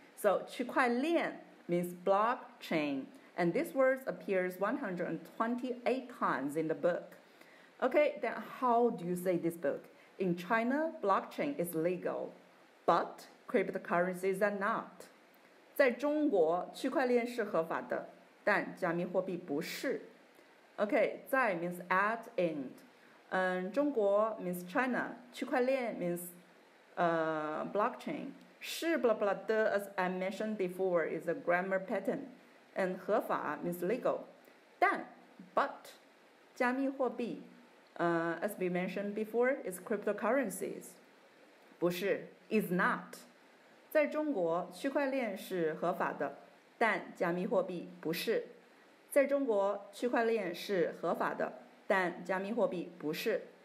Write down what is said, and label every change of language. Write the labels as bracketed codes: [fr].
[en] So 区块链 means block chain, and this word appears 128 times in the book. Okay, then how do you say this book? In China, blockchain is legal, but cryptocurrencies are not. [zh] 在中国，区块链是合法的，但加密货币不是。 [en] Okay, 在 means at end. 中国 means China, 区块链 means blockchain. 是 blah blah 的 as I mentioned before, is a grammar pattern. And 合法 means legal. 但 but, 加密货币 as we mentioned before, is cryptocurrencies. 不是 is not. [zh] 在中国区块链是合法的但加密货币不是。在中国区块链是合法的但加密货币不是。